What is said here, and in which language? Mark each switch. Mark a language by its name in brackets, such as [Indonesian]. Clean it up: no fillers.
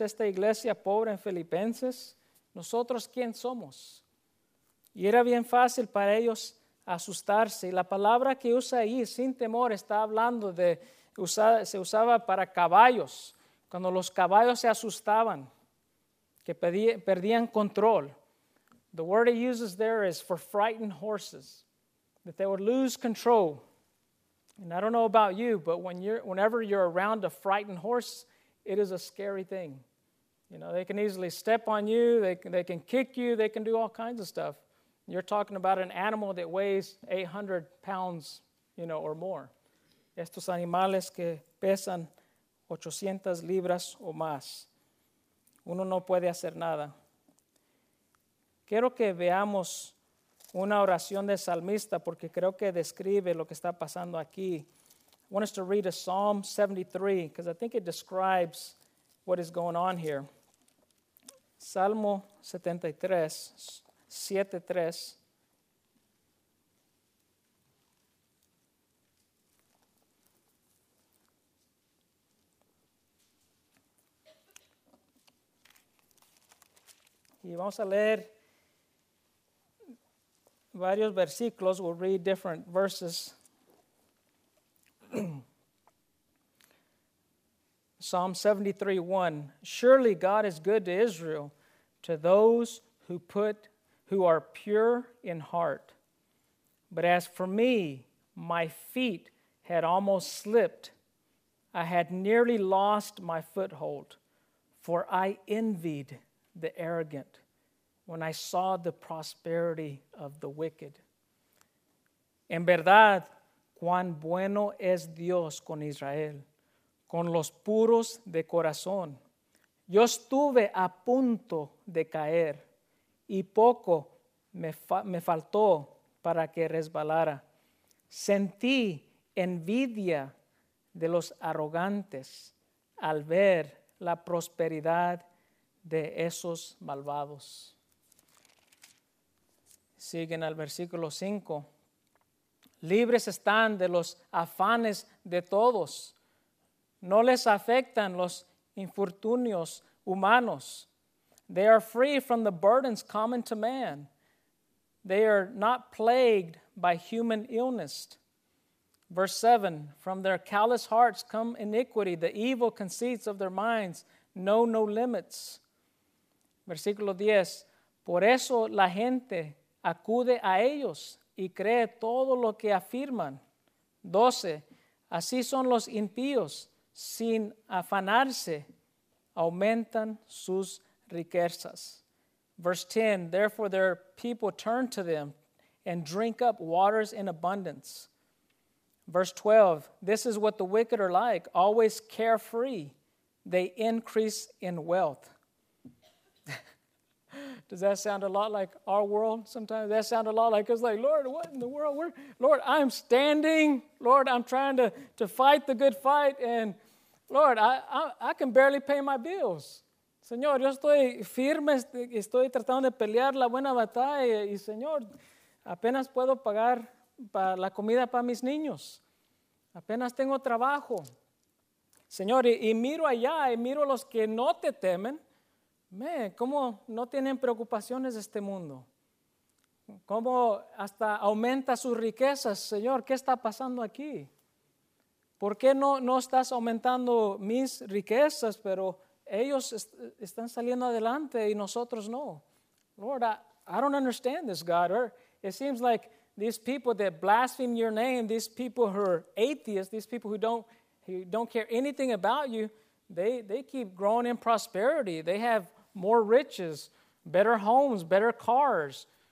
[Spanish] Esta iglesia pobre en Filipenses. ¿Nosotros quién somos? Y era bien fácil para ellos asustarse. La palabra que usa ahí, sin temor, está hablando de, se usaba para caballos. Cuando los caballos se asustaban, que perdían control. [English] The word it uses there is for frightened horses, that they would lose control. And I don't know about you, but whenever you're around a frightened horse, it is a scary thing. You know, they can easily step on you, they can kick you, they can do all kinds of stuff. You're talking about an animal that weighs 800 pounds, you know, or more. [Spanish] Estos animales que pesan 800 libras o más. Uno no puede hacer nada. Quiero que veamos una oración de salmista porque creo que describe lo que está pasando aquí. [English] I want us to read a Psalm 73 because I think it describes what is going on here. [Spanish] Salmo 73, 7-3. Y vamos a leer varios versículos. [English] We'll read different verses. Psalm 73:1. Surely God is good to Israel, to those who are pure in heart. But as for me, my feet had almost slipped. I had nearly lost my foothold, for I envied the arrogant when I saw the prosperity of the wicked. [Spanish] En verdad, cuán bueno es Dios con Israel, con los puros de corazón. Yo estuve a punto de caer, y poco me faltó para que resbalara. Sentí envidia de los arrogantes al ver la prosperidad de esos malvados. Siguen al versículo 5. Libres están de los afanes de todos. No les afectan los infortunios humanos. [English] They are free from the burdens common to man. They are not plagued by human illness. Verse 7. From their callous hearts come iniquity. The evil conceits of their minds know no limits. [Spanish] Versículo 10. Por eso la gente acude a ellos y cree todo lo que afirman. 12. Así son los impíos, sin afanarse, aumentan sus riquezas. [English] Verse 10. Therefore their people turn to them and drink up waters in abundance. Verse 12. This is what the wicked are like, always carefree. They increase in wealth. Does that sound a lot like our world sometimes? Does that sound a lot like, it's like, Lord, what in the world? Lord, I'm standing. Lord, I'm trying to fight the good fight. And Lord, I can barely pay my bills. [Spanish] Señor, yo estoy firme. Estoy tratando de pelear la buena batalla. Y Señor, apenas puedo pagar la comida para mis niños. Apenas tengo trabajo. Señor, y miro allá, y miro a los que no te temen. Man, ¿cómo no tienen preocupaciones de este mundo? ¿Cómo hasta aumenta sus riquezas? Señor, ¿qué está pasando aquí? ¿Por qué no estás aumentando mis riquezas, pero ellos están saliendo adelante y nosotros no? [English] Lord, I don't understand this, God. Or it seems like these people that blaspheme your name, these people who are atheists, these people who don't care anything about you, They keep growing in prosperity. They have more riches, better homes, better cars.